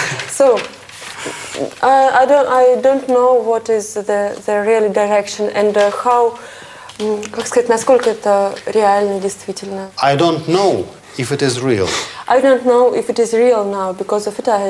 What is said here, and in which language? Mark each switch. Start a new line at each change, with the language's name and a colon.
English: So, I don't know what is the real direction and how...
Russian: Как сказать, насколько это реально, действительно?
English: I don't know if it is real. I don't know if it is real now because of it.